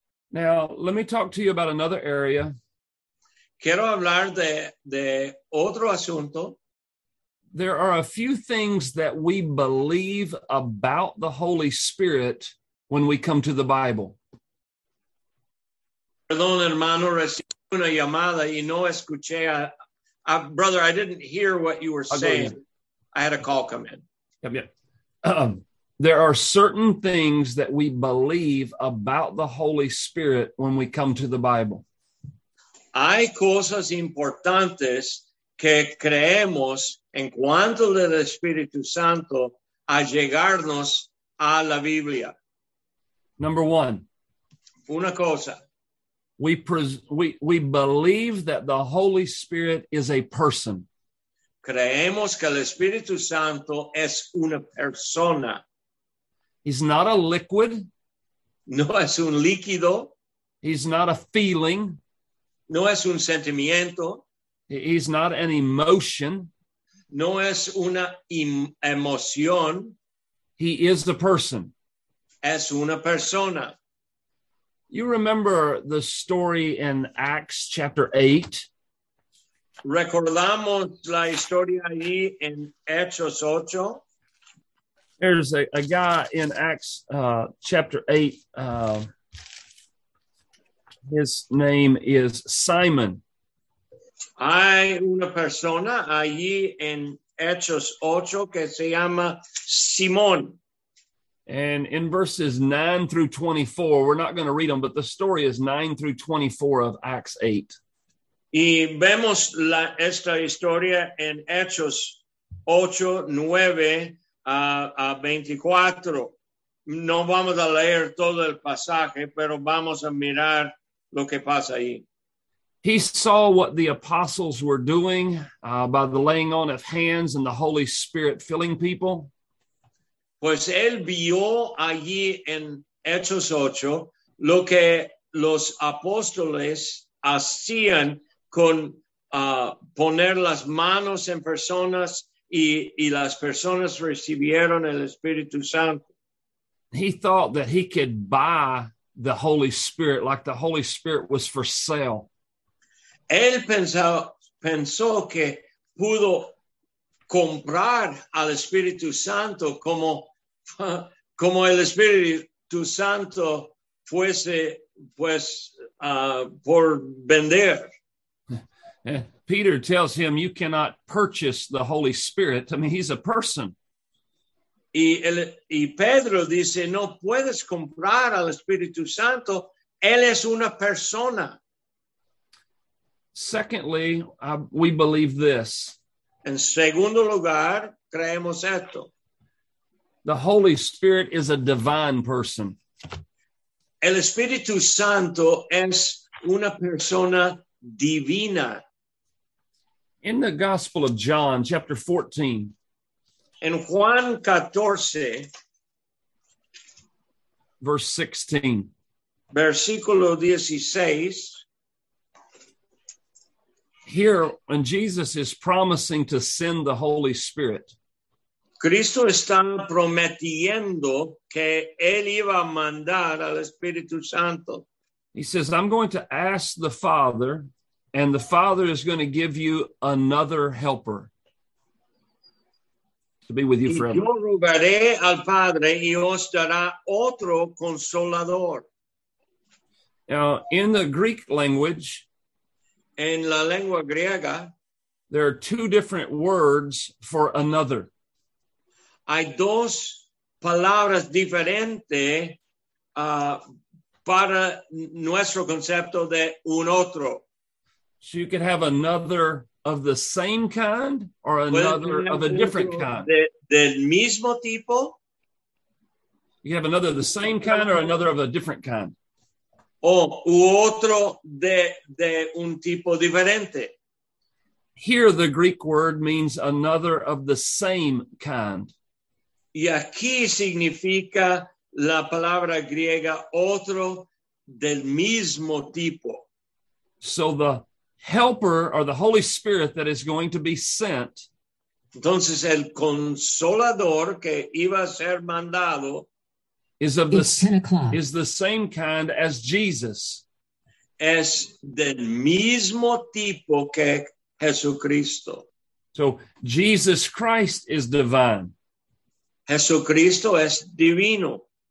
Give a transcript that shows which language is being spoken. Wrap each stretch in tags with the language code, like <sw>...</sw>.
<en>Now, let me talk to you about another area.</en> <es>Quiero hablar de otro asunto.</es> <en>There are a few things that we believe about the Holy Spirit when we come to the Bible.</en> <es>Perdón, hermano, recibí una llamada y no escuché.</es> <en>Brother, I didn't hear what you were saying. I had a call come in. There are certain things that we believe about the Holy Spirit when we come to the Bible.</en> <es>Hay cosas importantes que creemos en cuanto al Espíritu Santo a llegarnos a la Biblia.</es> <en>Number one.</en> <es>Una cosa.</es> <en>We believe that the Holy Spirit is a person.</en> <es>Creemos que el Espíritu Santo es una persona.</es> <en>He's not a liquid.</en> <es>No es un líquido.</es> <en>He's not a feeling.</en> <es>No es un sentimiento.</es> <en>He's not an emotion.</en> <es>No es una emoción.</es> <en>He is a person.</en> <es>Es una persona.</es> <en>You remember the story in Acts chapter 8?</en> <es>Recordamos la historia ahí en Hechos 8.</es> <en>There's a guy in Acts chapter 8. His name is Simon.</en> <es>Hay una persona allí en Hechos 8 que se llama Simón.</es> <en>And in verses 9 through 24, we're not going to read them, but the story is 9 through 24 of Acts 8.</en> <es>Y vemos esta historia en Hechos 8, 9 a 24. No vamos a leer todo el pasaje, pero vamos a mirar lo que pasa ahí.</es> <en>He saw what the apostles were doing by the laying on of hands and the Holy Spirit filling people.</en> <es>Pues él vio allí en Hechos 8 lo que los apóstoles hacían con poner las manos en personas y las personas recibieron el Espíritu Santo.</es> <en>He thought that he could buy the Holy Spirit like the Holy Spirit was for sale.</en> <es>Él pensó que pudo comprar al Espíritu Santo como el Espíritu Santo fuese por vender.</es> <en>Peter tells him, you cannot purchase the Holy Spirit. I mean, he's a person.</en> <es>Y Pedro dice, no puedes comprar al Espíritu Santo. Él es una persona.</es> <en>Secondly, we believe this.</en> <es>En segundo lugar, creemos esto.</es> <en>The Holy Spirit is a divine person.</en> <es>El Espíritu Santo es una persona divina.</es> <en>In the Gospel of John, chapter 14.</en> <es>En Juan 14.</es> <en>Verse 16.</en> <es>Versículo 16.</es> <en>Here, when Jesus is promising to send the Holy Spirit,</en> <es>Cristo está prometiendo que él iba a mandar al Espíritu Santo.</es> <en>He says, I'm going to ask the Father, and the Father is going to give you another helper to be with you forever.</en> <es>Yo rogaré al Padre y os dará otro consolador.</es> <en>Now, in the Greek language,</en> <es>en la lengua griega,</es> <en>there are two different words for another.</en> <es>Hay dos palabras diferentes para nuestro concepto de un otro.</es> <en>So you could have another of the same kind or another of a different kind.</en> <es>Del mismo tipo.</es> <en>You have another of the same kind or another of a different kind.</en> <es>O otro de un tipo diferente.</es> <en>Here the Greek word means another of the same kind.</en> <es>Y aquí significa la palabra griega otro del mismo tipo.</es> <en>So the helper or the Holy Spirit that is going to be sent.</en> <es>Entonces el consolador que iba a ser mandado</es> <en>is of the 10 o'clock. Is the same kind as Jesus.</en> <es>es del mismo tipo que Jesucristo.</es> <en>So Jesus Christ is divine.</en> <es>Jesucristo es divino.</es>